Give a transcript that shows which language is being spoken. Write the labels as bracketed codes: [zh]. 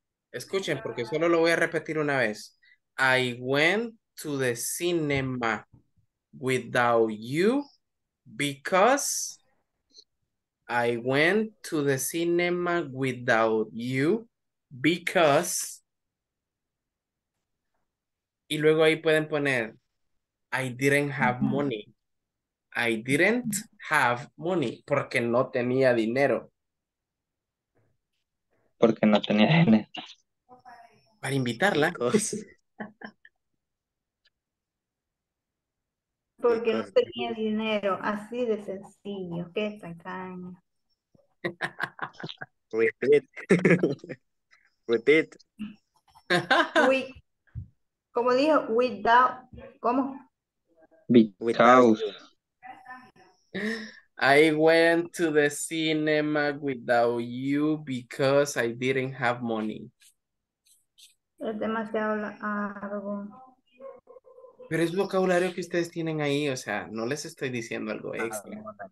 [es] Escuchen, porque solo lo voy a repetir una vez. [en] I went to the cinema without you because I went to the cinema without you because [es] y luego ahí pueden poner [en] I didn't have money. I didn't have money [es] porque no tenía dinero. Porque no tenía dinero. Para invitarla. Porque no tenía dinero, así de sencillo, qué tacaño. [en] Repeat. [es] Como dijo, without, ¿cómo? [en] Without. I went to the cinema without you because I didn't have money. [es] Es demasiado largo. Pero es vocabulario que ustedes tienen ahí, o sea, no les estoy diciendo algo extra.